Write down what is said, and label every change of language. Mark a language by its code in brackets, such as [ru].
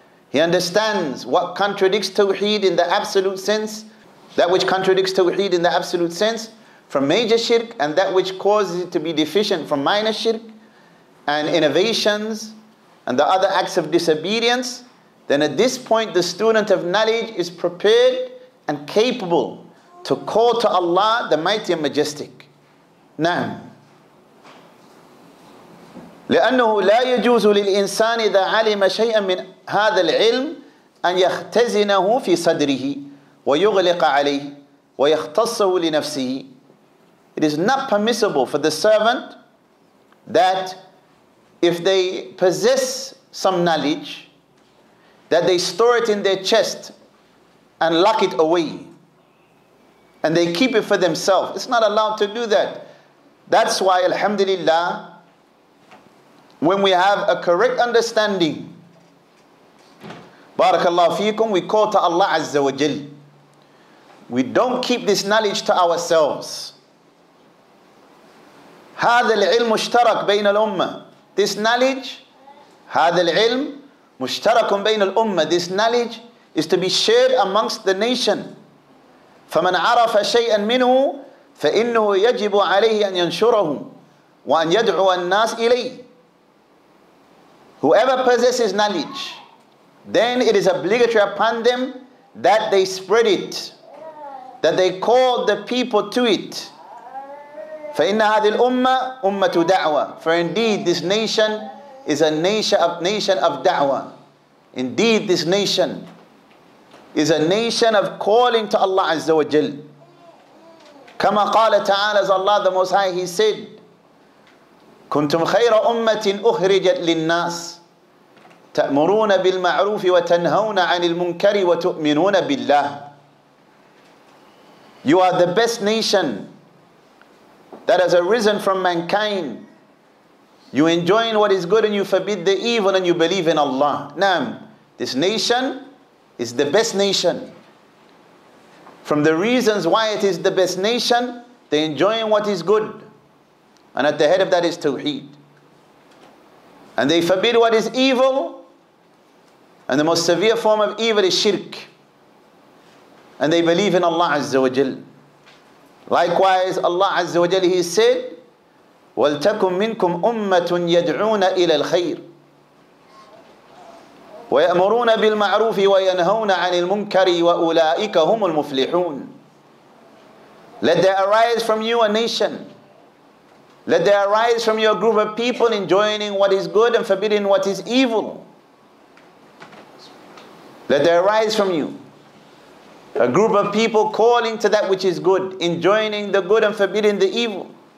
[en] He understands what contradicts tawheed in the absolute sense, that which contradicts tawheed in the absolute sense, from major shirk and that which causes it to be deficient from minor shirk, and innovations and the other acts of disobedience, then at this point the student of knowledge is prepared and capable to call to Allah the Mighty and Majestic. [ar] Na'am. لأنه لا يجوز للإنسان إذا علم شيئا من هذا العلم أن يختزنه في صدره ويغلق عليه ويختصه لنفسه. [en] It is not permissible for the servant that if they possess some knowledge, that they store it in their chest and lock it away and they keep it for themselves. It's not allowed to do that. That's why, alhamdulillah, when we have a correct understanding, barakallahu feekum, we call to Allah Azza wa Jal. We don't keep this knowledge to ourselves. [ar] هذا العلم مشترك بين الأمة. [en] This knowledge, [ar] هذا العلم مشترك بين الأمة. [en] This knowledge is to be shared amongst the nation. [ar] فمن عرف شيئا منه فإنه يجب عليه أن ينشره وأن يدعو الناس إليه. [en] Whoever possesses knowledge, then it is obligatory upon them that they spread it, that they call the people to it. [ar] فَإِنَّ هَذِي الْأُمَّةِ أُمَّةُ دَعْوَةٍ. [en] For indeed, this nation is a nation of da'wah. Indeed, this nation is a nation of calling to Allah Azza wa Jal. [ar] كَمَا قَالَ تَعَالَى, [en] as Allah the Most High, He said, [ar] كنتم خير أمة أخرجت للناس تأمرون بالمعروف وتنهون عن المنكر وتؤمنون بالله. [en] You are the best nation that has arisen from mankind. You enjoin what is good and you forbid the evil and you believe in Allah. Naam, this nation is the best nation. From the reasons why it is the best nation, they enjoin what is good. And at the head of that is Tawheed. And they forbid what is evil. And the most severe form of evil is Shirk. And they believe in Allah Azza wa Jal. Likewise, Allah Azza wa Jal, He said, [ar] وَلْتَكُمْ مِنْكُمْ أُمَّةٌ يَدْعُونَ إِلَى الْخَيْرِ وَيَأْمُرُونَ بِالْمَعْرُوفِ وَيَنْهَوْنَ عَنِ الْمُنْكَرِ وَأُولَٰئِكَ هُمُ الْمُفْلِحُونَ. [en] Let there arise from you a nation. Let there arise from you a group of people enjoining what is good and forbidding what is evil. Let there arise from you a group of people calling to that which is good, enjoining the good and forbidding the evil.